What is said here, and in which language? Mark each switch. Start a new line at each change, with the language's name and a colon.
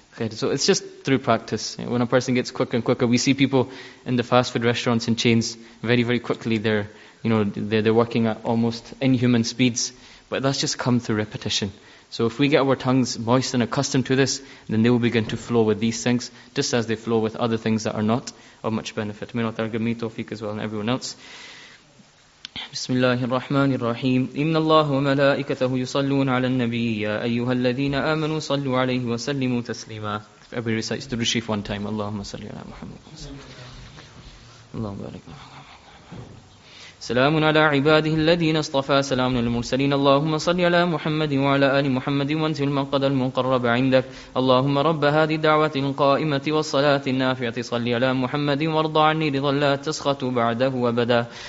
English: So it's just through practice. When a person gets quicker and quicker, we see people in the fast food restaurants and chains, very, very quickly they're working at almost inhuman speeds. But that's just come through repetition. So if we get our tongues moist and accustomed to this, then they will begin to flow with these things, just as they flow with other things that are not of much benefit. May Allah give me tawfiq as well and everyone else.
Arabic: بسم الله الرحمن الرحيم إن الله وملائكته يصلون على النبي يا أيها الذين آمنوا صلوا عليه وسلموا تسليما.
English: If everybody recites the Sharif one time,
Arabic: اللهم صل على محمد. اللهم بارك على محمد. سلام على عباده الذين اصطفى سلام للمرسلين اللهم صل على محمد وعلى آل محمد وانزل المنقد المقرب عندك اللهم رب هذه الدعوة القائمة والصلاة النافعة صل على محمد وارض عني رضا لا تسخط بعده وبدا